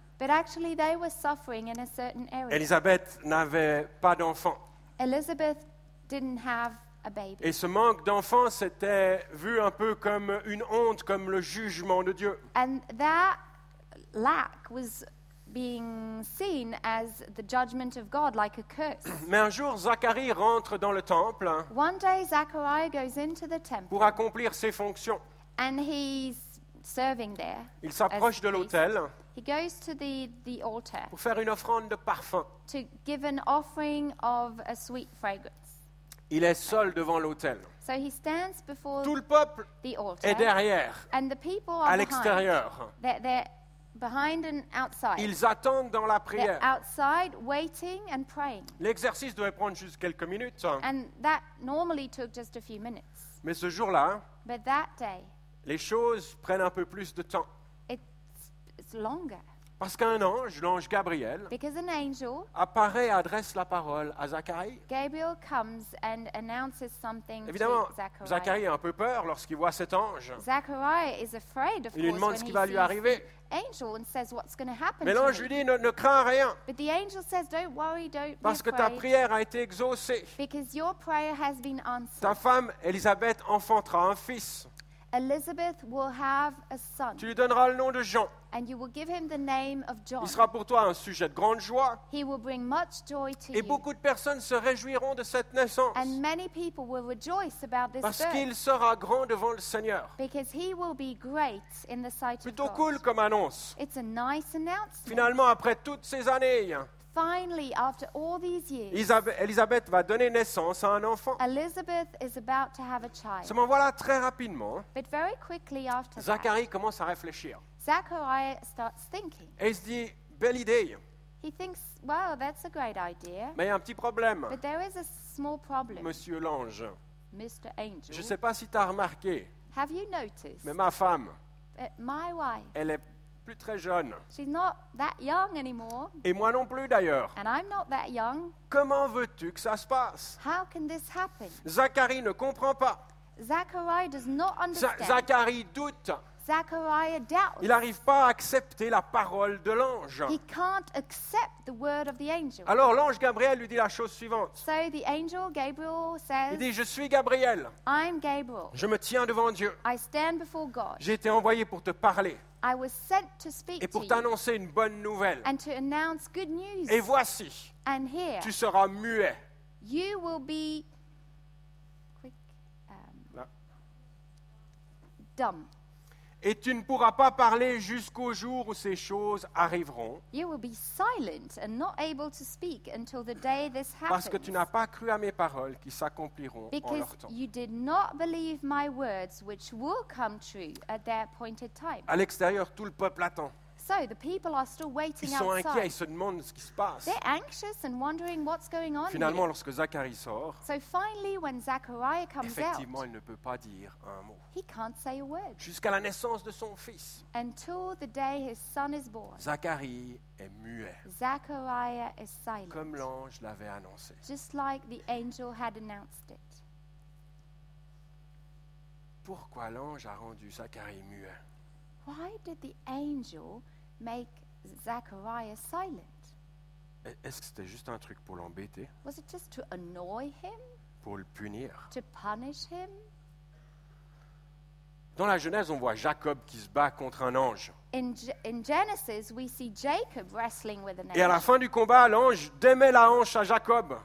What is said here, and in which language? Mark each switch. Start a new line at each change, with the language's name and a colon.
English: But actually they were suffering in a certain area.
French: Elizabeth n'avait pas d'enfant.
English: Elizabeth didn't have a baby.
French: Et ce manque d'enfant s'était vu un peu comme une honte, comme le jugement de Dieu.
English: And that lack was being seen as the judgment of God, like a curse.
French: Mais un jour Zacharie rentre dans le temple.
English: One day Zachariah goes into the temple.
French: Pour accomplir ses fonctions.
English: And he's serving there.
French: Il s'approche de l'autel.
English: He goes to the altar
French: pour faire une offrande de parfum.
English: To give an offering of a sweet fragrance.
French: Il est seul devant l'autel.
English: So he stands before
French: tout le peuple
English: the altar
French: est derrière,
English: and the people
French: à l'extérieur.
English: They're behind and outside.
French: Ils attendent dans la prière.
English: They're outside waiting and praying.
French: L'exercice devait prendre juste quelques minutes.
English: And that normally took just a few minutes.
French: Mais ce jour-là,
English: but that day,
French: les choses prennent un peu plus de temps.
English: Longer.
French: Parce qu'un ange, l'ange Gabriel, apparaît et adresse la parole à Zacharie.
English: Gabriel comes and announces something to
French: Évidemment, Zacharie a un peu peur lorsqu'il voit cet ange.
English: Zachariah is afraid, of
French: course, lui demande ce qui va lui arriver.
English: Angel and says what's going to happen.
French: Mais l'ange lui dit ne crains rien.
English: But the angel says don't worry, don't be
French: parce que ta prière a été exaucée.
English: Because your prayer has been answered.
French: Ta femme Élisabeth enfantera un fils.
English: Elizabeth will have a son.
French: Tu lui donneras le nom de Jean.
English: And you will give him the name of John.
French: Il sera pour toi un sujet de grande joie.
English: He will bring much joy to
French: et
English: you.
French: Beaucoup de personnes se réjouiront de cette naissance.
English: And many people will rejoice about this
French: parce
English: birth.
French: Qu'il sera grand devant le Seigneur.
English: Because he will be great in the sight
French: plutôt
English: of God.
French: Cool comme annonce.
English: It's a nice announcement.
French: Finalement, après toutes ces années,
English: finally, after all these years,
French: Elisabeth va donner naissance à un enfant.
English: Elizabeth is about to have a child.
French: Seulement voilà, très rapidement,
English: but very quickly after
French: Zacharie
English: that,
French: commence à réfléchir.
English: Zachariah starts thinking.
French: Et il se dit, belle idée.
English: He thinks, well, that's a great idea.
French: Mais il y a un petit problème.
English: But there is a small problem.
French: Monsieur l'ange.
English: Mr. Angel.
French: Je ne sais pas si tu as remarqué.
English: Have you noticed?
French: Mais ma femme.
English: My wife.
French: Elle est plus très jeune.
English: She's not that young anymore.
French: Et moi non plus d'ailleurs.
English: And I'm not that young.
French: Comment veux-tu que ça se passe?
English: How can this happen?
French: Zacharie ne comprend pas.
English: Zachariah does not understand.
French: Zacharie doute.
English: Zachariah doubts.
French: Il n'arrive pas à accepter la parole de l'ange.
English: He can't accept the word of the angel.
French: Alors l'ange Gabriel lui dit la chose suivante.
English: So the angel Gabriel says,
French: il dit, je suis Gabriel.
English: I'm Gabriel.
French: Je me tiens devant Dieu.
English: I stand before God.
French: J'ai été envoyé pour te parler.
English: I was sent to speak
French: et pour t'annoncer une bonne nouvelle.
English: And to announce good news.
French: Et voici,
English: and here,
French: tu seras muet.
English: You will be quick, dumb.
French: Et tu ne pourras pas parler jusqu'au jour où ces choses arriveront.
English: You will be silent and not able to speak until the day this happens.
French: Parce que tu n'as pas cru à mes paroles qui s'accompliront
English: because
French: en leur temps.
English: You did not believe my words which will come true at their appointed time.
French: À l'extérieur, tout le peuple attend.
English: So the people are still waiting outside.
French: inquiets, ils se demandent ce qui se passe.
English: They're anxious and wondering what's going on.
French: Finalement, lorsque Zacharie sort,
English: so finally, when Zachariah comes
French: effectivement,
English: out,
French: il ne peut pas dire un mot.
English: He can't say a word.
French: Jusqu'à la naissance de son fils.
English: Until the day his son is born.
French: Zacharie est muet.
English: Zachariah is silent.
French: Comme l'ange l'avait annoncé.
English: Just like the angel had announced it.
French: Pourquoi l'ange a rendu Zacharie muet?
English: Why did the angel make Zachariah silent?
French: Est-ce que c'était juste un truc pour l'embêter?
English: Was it just to annoy him?
French: Pour le punir?
English: To punish him?
French: Dans la Genèse, on voit Jacob qui se bat contre un ange.
English: In Genesis, we see Jacob wrestling with an angel.
French: Et à la fin du combat, l'ange démet la hanche à Jacob.